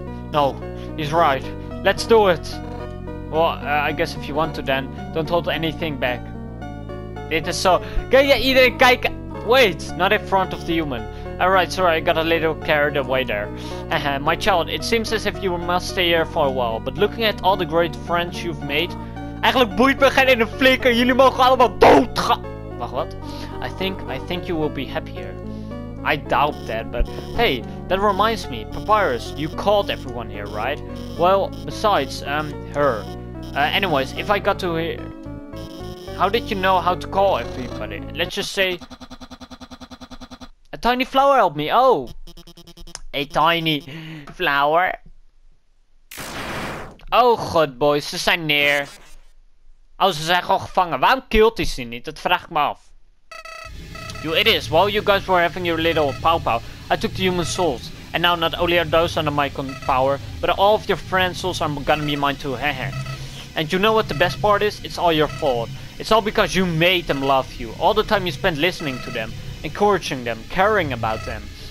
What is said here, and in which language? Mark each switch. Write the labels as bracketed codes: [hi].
[en] No, he's right. Let's do it! Well, I guess if you want to, then don't hold anything back. [nl] Dit is zo. Kan je iedereen kijken? [en] Wait, not in front of the human. Alright, sorry, I got a little carried away there. My child, it seems as if you must stay here for a while, but looking at all the great friends you've made... [nl] Eigenlijk boeit me geen ene flikker, jullie mogen allemaal doodgaan! Wacht, wat? [en] I think you will be happier. I doubt that, but... Hey, that reminds me, Papyrus, you called everyone here, right? Well, besides, her. Anyways, if I got to hear... How did you know how to call everybody? Let's just say... A tiny flower helped me, oh! A tiny flower? Oh god, boys, [nl] ze zijn neer. Oh, ze zijn gewoon gevangen. Waarom killt hij ze niet? Dat vraag ik me af. [en] You idiots, while you guys were having your little pow-pow, I took the human souls. And now not only are those under my power, but all of your friends' souls are gonna be mine too, heh heh. And you know what the best part is? It's all your fault. It's all because you made them love you. All the time you spent listening to them, encouraging them, caring about them.